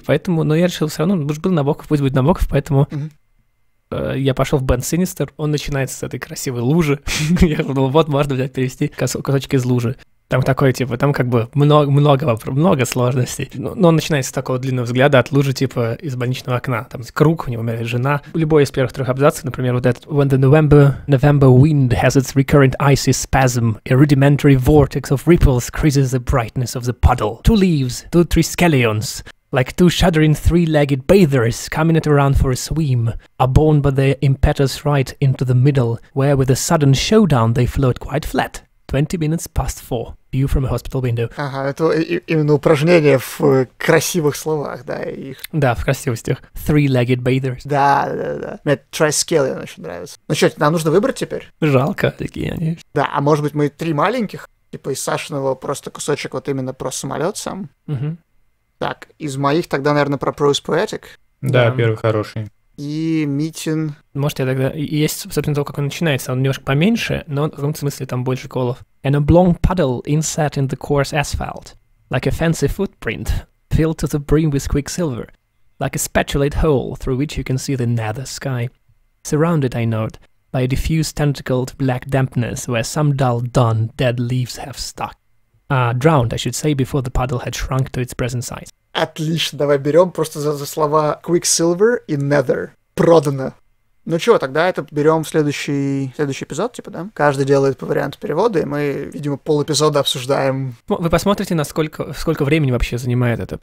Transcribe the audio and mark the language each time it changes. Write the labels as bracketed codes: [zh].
[ru] Поэтому, но я решил все равно, уж был Набоков, пусть будет Набоков, поэтому я пошел в Бен Синистер. Он начинается с этой красивой лужи. Я думал, вот, можно взять, перевести кусочки из лужи. Там такое, типа, там как бы много сложностей. Но он начинается с такого длинного взгляда от лужи, типа, из больничного окна. Там круг, у него умирает жена. Любой из первых трех абзацев, например, вот этот. [en] When the November wind has its recurrent icy spasm, a rudimentary vortex of ripples creases the brightness of the puddle. Two leaves, two triskelions, like two shuddering three-legged bathers coming it around for a swim, are borne by their impetus right into the middle, where with a sudden showdown they float quite flat. 20 minutes past 4. View from a hospital window. [ru] Ага, это именно упражнение в красивых словах, да, их. Да, в красивых стихах. [en] Three-legged bathers. [ru] Да, да, да. Мне Triskelion очень нравится. Ну что, нам нужно выбрать теперь? Жалко, такие они. Да, а может быть мы три маленьких? Типа из Сашиного просто кусочек вот именно про самолет сам? Угу. Так, из моих тогда, наверное, про [en] prose poetic? [ru] Да, первый хороший. И Митин. Может, я тогда... Есть, собственно, то, как он начинается. Он немножко поменьше, но в каком-то смысле там больше колов. [en] An oblong puddle inset in the coarse asphalt, like a fancy footprint, filled to the brim with quicksilver, like a spatulate hole through which you can see the nether sky. Surrounded, I note, by a diffuse tentacled black dampness where some dull, dun, dead leaves have stuck. Drowned, I should say, before the puddle had shrunk to its present size. [ru] Отлично, давай берем просто за слова Quicksilver и Nether. Продано. Ну чего, тогда это берем следующий эпизод, типа, да? Каждый делает по варианту перевода, и мы, видимо, полэпизода обсуждаем. Вы посмотрите, сколько времени вообще занимает это.